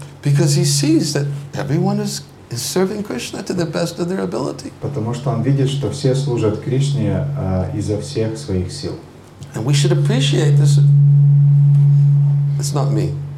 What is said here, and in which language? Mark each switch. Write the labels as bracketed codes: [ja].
[en] Because he sees that everyone is serving Krishna to the best of their ability. [ru] Потому что он видит, что все служат Кришне изо всех своих сил. [en] And we should appreciate this. It's not me.